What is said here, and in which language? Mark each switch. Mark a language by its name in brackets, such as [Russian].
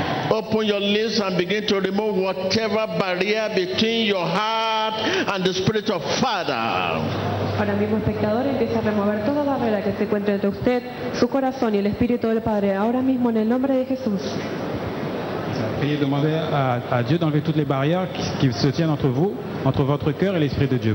[English] Open your lips and begin to remove whatever barrier between your heart and the Spirit of Father. [Spanish] Ahora mismo, espectador, empieza a remover toda la barrera que se encuentra entre usted, su corazón y el Espíritu del Padre. Ahora mismo, en el nombre de Jesús. [French] Priez, demandez à Dieu d'enlever toutes les barrières qui se tiennent entre vous, entre votre cœur et l'Esprit de Dieu.